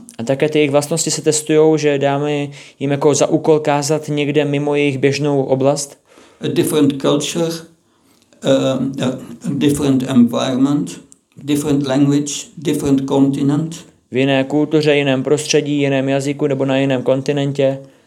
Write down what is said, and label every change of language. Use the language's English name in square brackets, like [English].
[Czech] A také ty jejich vlastnosti se testují, že dáme jim jako za úkol kázat někde mimo jejich běžnou oblast. [English] A different culture, a different environment, different language, different continent. [Czech] V jiné kultuře, jiném prostředí, jiném jazyku nebo na jiném kontinentě.